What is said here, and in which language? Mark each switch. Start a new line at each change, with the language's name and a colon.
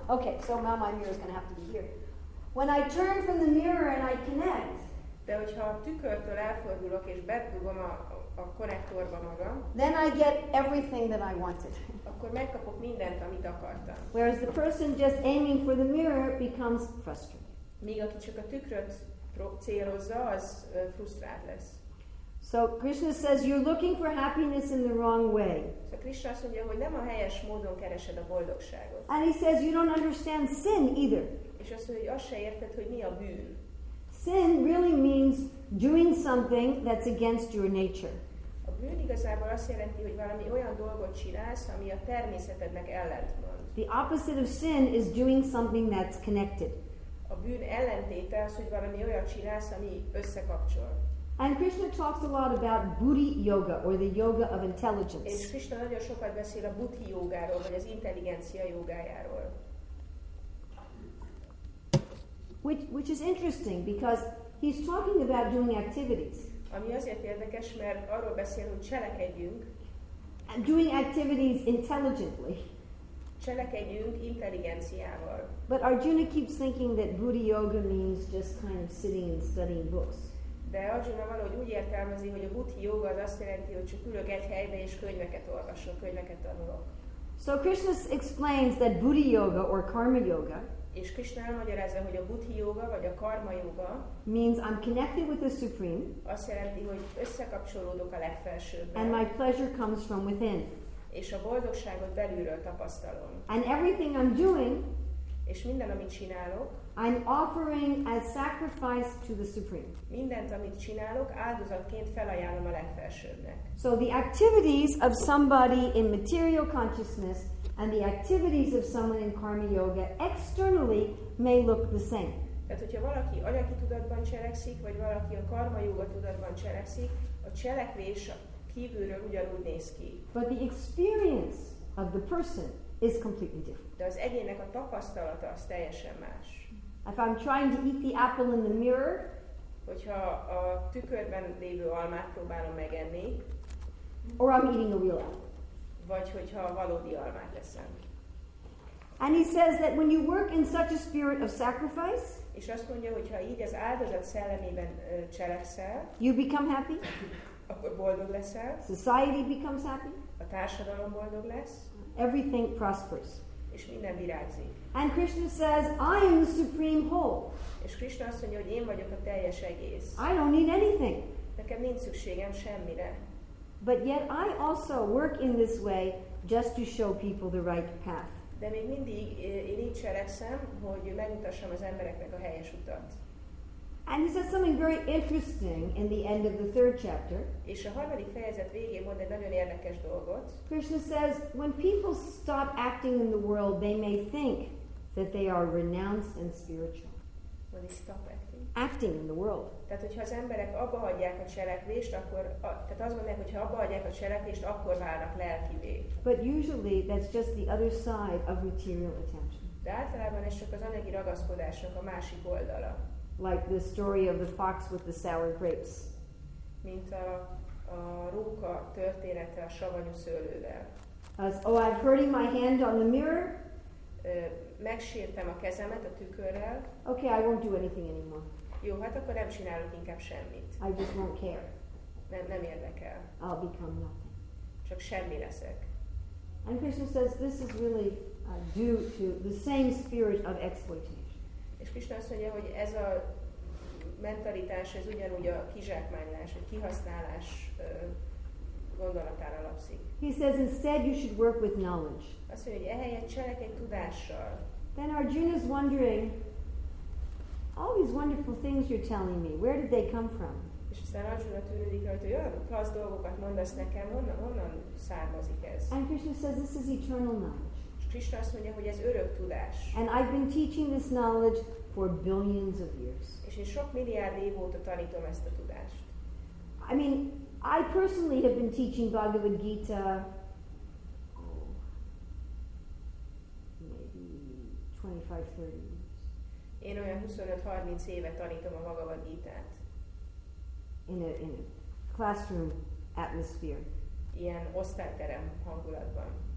English: Okay, so now my mirror is going to have to be here. When I turn from the mirror and I connect,
Hungarian: de hogyha a tükörtől elfordulok és bedugom a konnektorba magam,
English: then I get everything that I wanted.
Hungarian: Akkor megkapok mindent, amit akartam.
English: Whereas the person just aiming for the mirror becomes frustrated.
Hungarian: Míg aki csak a tükröt célozza, az frusztrált lesz.
English: So Krishna says you're looking for happiness in the wrong way.
Hungarian: So Krishna azt mondja, hogy nem a helyes módon keresed a boldogságot.
English: And he says you don't understand sin either.
Hungarian: És azt mondja, hogy azt se érted, hogy mi a bűn.
English: Sin really means doing something that's against your nature.
Hungarian: A bűn igazából azt jelenti, hogy valami olyan dolgot csinálsz, ami a természetednek ellentmond.
English: The opposite of sin is doing something that's connected.
Hungarian: A bűn ellentéte az, hogy valami olyan csinálsz, ami összekapcsol.
English: And Krishna talks a lot about buddhi yoga or the yoga of intelligence.
Hungarian: És Krishna nagyon sokat beszél a buddhi jogáról, vagy az intelligencia jogájáról.
English: Which is interesting because he's talking about doing activities.
Hungarian: Ami azért érdekes, mert arról beszél, hogy cselekedjünk.
English: And doing activities intelligently.
Hungarian: Cselekedjünk intelligenciával.
English: But Arjuna keeps thinking that buddhi yoga means just kind of sitting and studying books.
Hungarian: De Arjuna valahogy úgy értelmezi, hogy a buddhi jóga az azt jelenti, hogy csak ülök egy helyben és könyveket olvasok, könyveket tanulok.
English: So Krishna explains that buddhi yoga or karma yoga,
Hungarian: és Krishna elmagyarázza, hogy a buddhi jóga vagy a karma yoga
English: means I'm connected with the supreme,
Hungarian: azt jelenti, hogy összekapcsolódok a legfelsőbben,
English: and my pleasure comes from within,
Hungarian: és a boldogságot belülről tapasztalom,
English: and everything I'm doing,
Hungarian: és minden, amit csinálok,
English: I'm offering as sacrifice to the supreme.
Hungarian: Mindent, amit csinálok, áldozatként felajánlom a legfelsőbbnek.
English: So the activities of somebody in material consciousness and the activities of someone in karma yoga externally may look the same.
Hungarian: Tehát, hogyha valaki anyagi tudatban cselekszik, vagy valaki a karma yoga tudatban cselekszik, a cselekvés kívülről ugyanúgy néz ki.
English: But the experience of the person is completely different.
Hungarian: De az egyének a tapasztalata az teljesen más.
English: If I'm trying to eat the apple in the mirror,
Hungarian: hogyha a tükörben lévő almát próbálom megenni,
English: or I'm eating a real apple,
Hungarian: vagy hogyha a valódi almát eszem.
English: And he says that when you work in such a spirit of sacrifice,
Hungarian: és azt mondja, hogyha így az áldozat szellemében cselekszel,
English: you become happy,
Hungarian: akkor boldog leszel,
English: society becomes happy,
Hungarian: a társadalom boldog lesz,
English: everything prospers.
Hungarian: És minden virágzik.
English: And Krishna says, I am the supreme whole.
Hungarian: És Krishna azt mondja, hogy én vagyok a teljes egész.
English: I don't need anything.
Hungarian: Nekem nincs szükségem semmire.
English: But yet I also work in this way just to show people the right path.
Hungarian: De még mindig én így cselekszem, hogy megmutassam az embereknek a helyes utat.
English: And he says something very interesting in the end of the third chapter.
Hungarian: És a harmadik fejezet végén mond egy nagyon érdekes dolgot.
English: Krishna says, when people stop acting in the world, they may think that they are renounced and spiritual. When they stop acting? Acting in the world.
Hungarian: Tehát, hogyha az emberek abba hagyják a cselekvést, akkor, tehát azt mondják, hogyha abba hagyják a cselekvést, akkor válnak lelkivé.
English: But usually that's just the other side of material attention.
Hungarian: De általában ez csak az anyagi ragaszkodásnak a másik oldala.
English: Like the story of the fox with the sour grapes.
Hungarian: Mint a róka története a savanyú szőlővel.
English: I've hurting my hand on the mirror.
Hungarian: Megsértem a kezemet a tükörrel.
English: Okay, I won't do anything anymore.
Hungarian: Jó, hát akkor nem csinálok inkább semmit.
English: I just won't care.
Hungarian: Nem érdekel.
English: I'll become nothing.
Hungarian: Csak semmi leszek.
English: And Krishna says this is really due to the same spirit of exploitation.
Hungarian: És Krishna azt mondja, hogy ez a mentalitás, ez ugyanúgy a kizsákmányolás, vagy kihasználás gondolatára alapszik.
English: He says instead you should work with knowledge.
Hungarian: Azt mondja, hogy ehelyett cselekedj tudással.
English: Then Arjuna's wondering, all these wonderful things you're telling me, where did they come from?
Hungarian: És aztán Arjuna tűnődik rajta, hogy olyan klassz dolgokat mondasz nekem, honnan származik ez?
English: And Krishna says this is eternal knowledge.
Hungarian: Krishna azt mondja, hogy ez örök tudás.
English: And I've been teaching this knowledge for billions of years.
Hungarian: És én sok milliárd év óta tanítom ezt a tudást.
English: I mean, I personally have been teaching Bhagavad Gita maybe 25-30
Hungarian: years. Én olyan 25-30 éve tanítom a Bhagavad Gitát.
English: In a classroom atmosphere.
Hungarian: Ilyen osztályterem hangulatban.